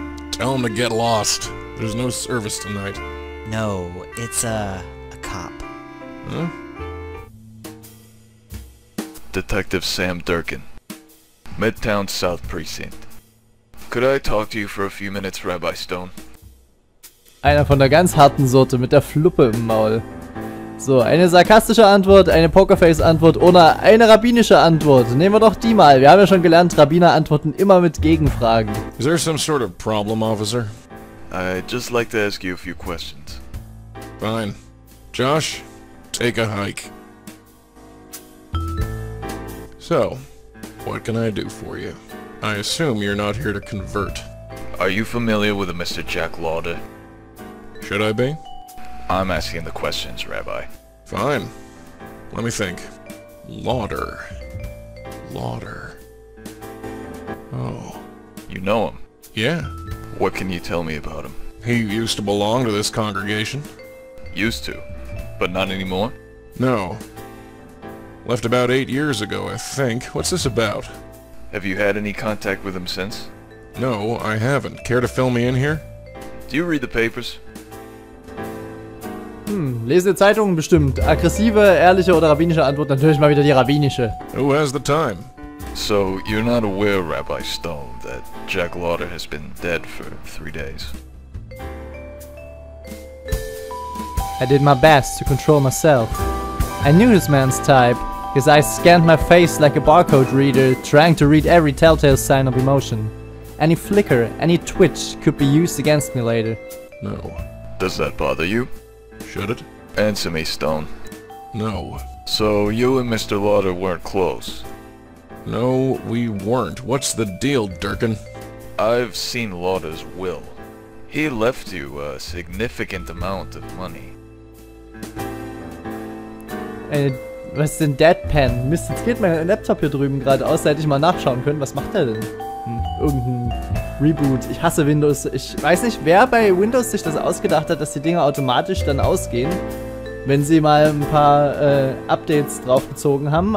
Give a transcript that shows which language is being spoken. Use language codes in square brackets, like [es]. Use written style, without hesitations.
[en] Tell him to get lost. There's no service tonight. No, it's a top. Detective Sam Durkin, Midtown South Precinct. Could I talk to you for a few minutes, Rabbi Stone? [de] Einer von der ganz harten Sorte mit der Fluppe im Maul. So, eine sarkastische Antwort, eine Pokerface-Antwort oder eine rabbinische Antwort. Nehmen wir doch die mal. Wir haben ja schon gelernt, Rabbiner antworten immer mit Gegenfragen. [en] Is there some sort of problem, officer? I'd just like to ask you a few questions. Fine. Josh, take a hike. So, what can I do for you? I assume you're not here to convert. Are you familiar with a Mr. Jack Lauder? Should I be? I'm asking the questions, Rabbi. Fine. Let me think. Lauder. Lauder. Oh. You know him? Yeah. What can you tell me about him? He used to belong to this congregation. Used to? But not anymore? No. Left about 8 years ago, I think. What's this about? Have you had any contact with him since? No, I haven't. Care to fill me in here? Do you read the papers? [de] Lese Zeitungen bestimmt. Aggressive, ehrliche oder rabbinische Antwort, natürlich mal wieder die rabbinische. [en] Who has the time? So, you're not aware, Rabbi Stone, that Jack Lauder has been dead for 3 days? I did my best to control myself. I knew this man's type. His eyes scanned my face like a barcode reader, trying to read every telltale sign of emotion. Any flicker, any twitch could be used against me later. No. Does that bother you? Should it? Answer me, Stone. No. So you and Mr. Lauder weren't close? No, we weren't. What's the deal, Durkin? I've seen Lauder's will. He left you a significant amount of money. [de] Was ist denn Deadpan? Mist, jetzt geht mein Laptop hier drüben gerade aus, da hätte ich mal nachschauen können. Was macht der denn? Irgendein Reboot. Ich hasse Windows. Ich weiß nicht, wer bei Windows sich das ausgedacht hat, dass die Dinger automatisch dann ausgehen, wenn sie mal ein paar Updates draufgezogen haben.